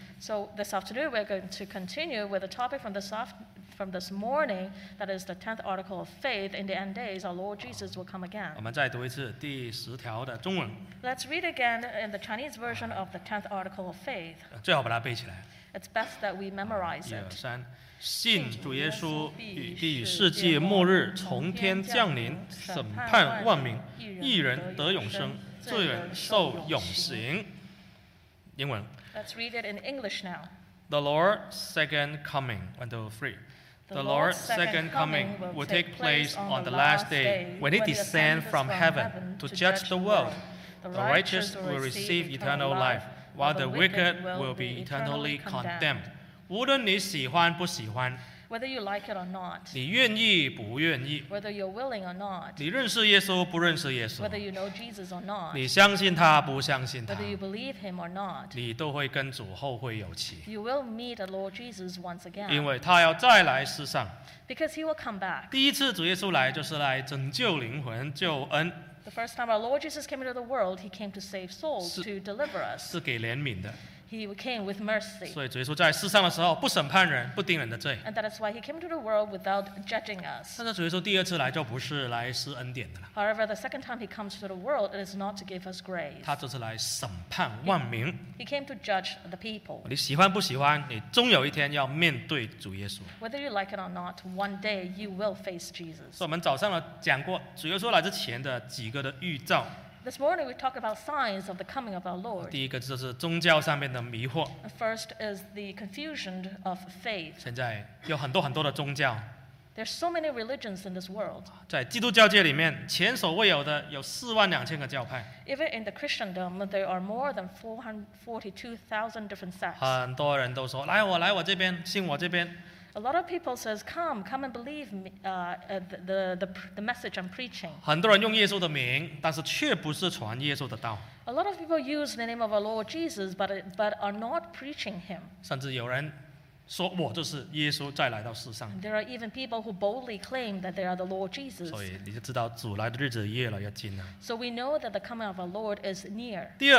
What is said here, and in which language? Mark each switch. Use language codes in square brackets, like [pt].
[en] So this afternoon, we're going to continue with a topic from the soft. From this morning, that is the 10th article of faith, in the end days, our Lord Jesus will come again. [zh] 我们再读一次第十条的中文。 [en] Let's read again in the Chinese version of the 10th article of faith. [zh] 最好把它背起来。 [en] It's best that we memorize it. [zh] 一二三, 信主耶稣与世界末日从天降临审判万民，一人得永生，罪人受永刑。英文。 [en] Let's read it in English now. The Lord's second coming, 1, 2, 3. The Lord's second coming will take place on the last day when he descends from heaven to judge the world. The righteous will receive eternal life, while the wicked will be eternally condemned. [zh] 无论你喜欢不喜欢, [en] whether you like it or not, [zh] 你愿意不愿意, [en] whether you're willing or not, [zh] 你认识耶稣不认识耶稣, [en] whether you know Jesus or not, [zh] 你相信他不相信他, [en] whether you believe him or not, [zh] 你都会跟主后会有期, [en] you will meet the Lord Jesus once again, [zh] 因为他要再来世上, [en] because he will come back. [zh] 第一次主耶稣来就是来拯救灵魂救恩, [en] the first time our Lord Jesus came into the world, he came to save souls, 是, to deliver us. [zh] 是给怜悯的。 [en] He came with mercy. [zh] 所以主耶稣在世上的时候不审判人，不定人的罪。 [en] And that is why he came to the world without judging us. [zh] 但是主耶稣第二次来就不是来施恩典的了。 [en] However, the second time he comes to the world, it is not to give us grace. [zh] 他就是来审判万民。 [en] He came to judge the people. [zh] 你喜欢不喜欢，你终有一天要面对主耶稣。 [en] Whether you like it or not, one day you will face Jesus. [zh] 所以我们早上讲过主耶稣来之前的几个的预兆。 [en] This morning we talk about signs of the coming of our Lord. [zh] 第一个就是宗教上面的迷惑。 [en] First is the confusion of faith. [zh] 现在有很多很多的宗教。 [en] There's so many religions in this world. [zh] 在基督教界里面, 前所未有的有42,000个教派。 [en] Even in the Christendom, there are more than 442,000 different sects. [zh] 很多人都说, 来我这边, 信我这边。 [en] A lot of people says, come and believe me, the message I'm preaching. [zh] 很多人用耶稣的名, 但是却不是传耶稣的道。 [en] A lot of people use the name of our Lord Jesus, but are not preaching him. [zh] 甚至有人 [en] There are even people who boldly claim that they are the Lord Jesus. So we know that the coming of our Lord is near.